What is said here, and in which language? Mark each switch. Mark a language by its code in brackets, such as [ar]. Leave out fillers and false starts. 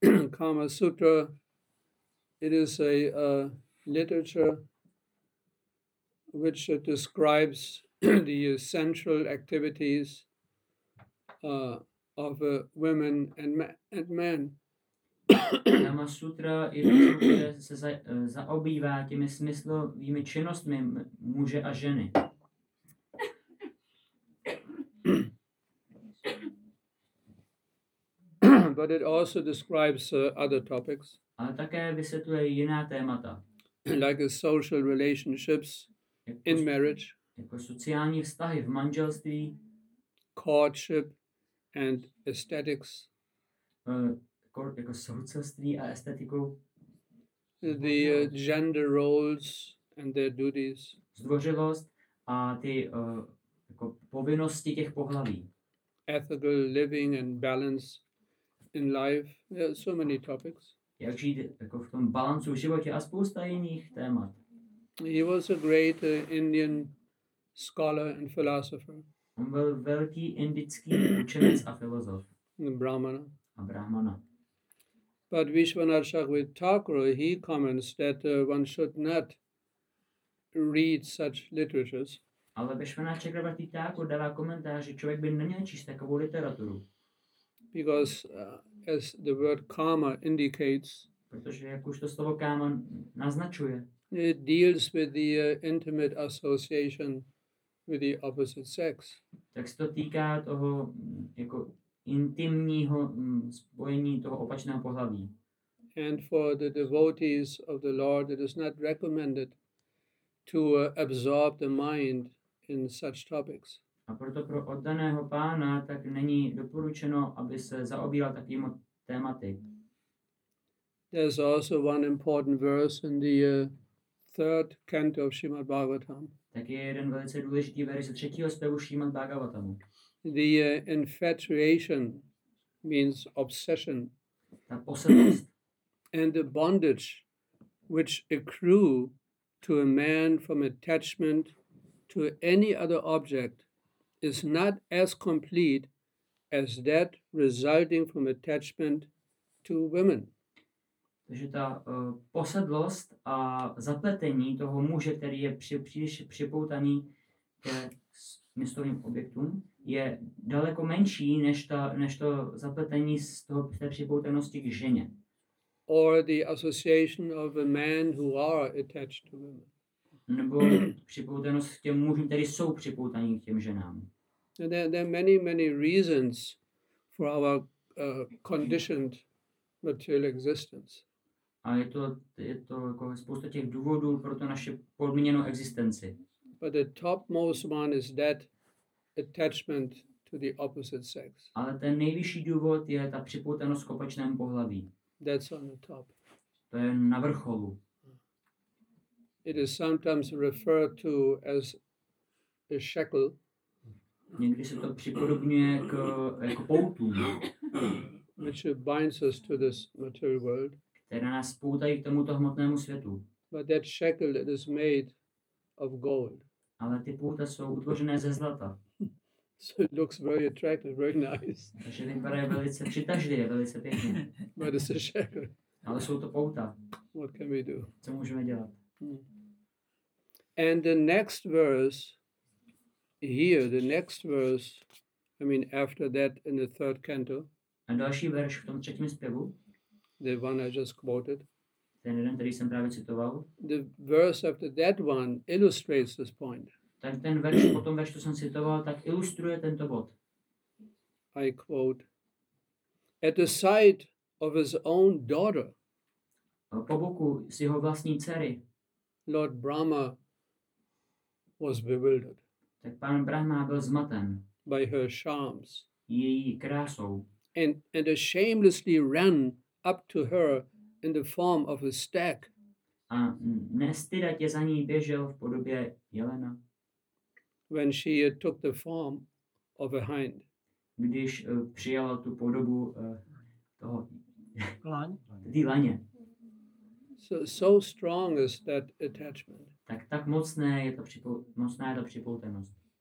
[en] Kama Sutra, it is a literature which describes the central activities of women and men. [cs] Kama Sutra je to, které se zaobývá těmi smyslovými činnostmi muže a ženy. [en] But it also describes other topics. [cs] Ale také vysvětluje jiná témata. [en] Like social relationships in marriage. [cs] Jako sociální vztahy v manželství, [en] courtship and aesthetics, [cs] jako soucelství a estetiku, [en] the gender roles and their duties, [cs] zdvořilost a ty jako povinnosti těch pohlaví. [en] Ethical living and balance in life. There are so many topics. [cs] Jak žít jako v tom balancu v životě a spousta jiných témat. [en] He was a great Indian scholar and philosopher. [cs] On byl velký indický učenec a filozof. [en] Brahmana. [cs] A Brahmana. [en] But Vishwanarshakvit Thakur, he comments that one should not read such literatures. [cs] Ale Vishwanarshakvit Thakur dává komentář, že člověk by neměl číst takovou literaturu. [en] Because as the word karma indicates, [cs] protože jak už to slovo karma naznačuje, [en] it deals with the intimate association with the opposite sex. [cs] Tak se to týká toho jako intimního spojení toho opačného pohlaví. [en] And for the devotees of the Lord, it is not recommended to absorb the mind in such topics. [cs] A proto pro oddaného pána tak není doporučeno, aby se zaobíral takovými tématy. [en] There's also one important verse in the third canto of Srimad Bhagavatam. [cs] Tak je jeden velice důležitý verš ze třetího zpěvu Srimad Bhagavatamu. [en] The infatuation means obsession. [cs] Ta posedlost. [en] And the bondage which accrue to a man from attachment to any other object is not as complete as that resulting from attachment to women. [cs] Takže ta posedlost a zapletení toho muže, který je příliš připoutaný ke místovým objektům, je daleko menší než ta, než to zapletení z toho té připoutanosti k ženě. [en] Or the association of a man who are attached to women. [cs] Nebo připoutanost k těm mužům, kteří jsou připoutaní k těm ženám. [en] There are many, many reasons for our conditioned material existence. [cs] A je to jako spousta těch důvodů pro to naše podmíněnou existenci. [en] But the topmost one is that attachment to the opposite sex. [cs] Ale ten nejvyšší důvod je ta připoutanost k opačnému pohlaví. [en] That's on the top. [cs] To je na vrcholu. [en] It is sometimes referred to as a shackle. [cs] Někdy se to připodobňuje k jako poutům, [en] which binds us to this material world. [cs] Které nás poutají k tomuto hmotnému světu. [en] But that shackle that is made of gold. [cs] Ale ty pouta jsou utvořené ze zlata. [en] So it looks very attractive, very nice. [cs] Takže vypadá velice přitažlivě, velice pěkně. [en] But it's a shackle. [cs] Ale jsou to pouta. [en] What can we do? [cs] Co můžeme dělat? [en] And the next verse. Here, the next verse, I mean, after that, in the third canto. [cs] A další verš v tom třetím zpěvu. [en] The one I just quoted. [cs] Ten jeden, který jsem právě citoval. [en] The verse after that one illustrates this point. [cs] Tak ten verš, potom verš, co jsem citoval, tak ilustruje tento bod. [en] I quote. At the sight of his own daughter. [cs] Po boku s jeho vlastní dcery. [en] Lord Brahma was bewildered. [cs] Tak pán Brahma byl zmaten. [en] By her charms. [cs] Její krásou. [en] And shamelessly ran up to her in the form of a stag. [cs] A nestydatě za ní běžel v podobě jelena. [en] When she took the form of a hind. [cs] Když přijala tu podobu toho laně. [en] So strong is that attachment. [cs] Tak mocné je to mocná je to připoutanost.